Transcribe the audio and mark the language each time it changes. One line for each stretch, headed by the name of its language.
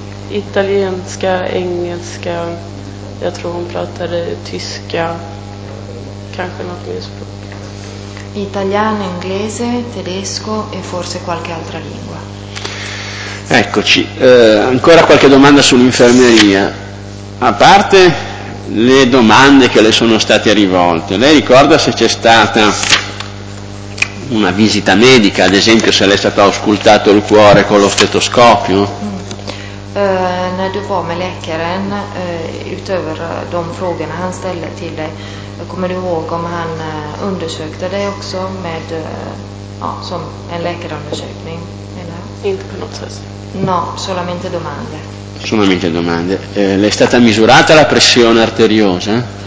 Swedish: Italienska, engelska, jag tror hon pratade tyska, kanske något mer språk.
Italian: Italiano, inglese, tedesco e forse qualche altra lingua. Eccoci, ancora qualche domanda sull'infermeria. A parte le domande che le sono state rivolte, lei ricorda se c'è stata una visita medica, ad esempio se le è stato auscultato il cuore con lo stetoscopio?
Swedish: När du var med läkaren, utöver de frågorna han ställde till dig, kommer du ihåg om han undersökte dig också med, som en läkarundersökning? Eller? Inte på något sätt.
Italian: No, solamente domande. Solamente domande. Le è stata misurata la pressione arteriosa?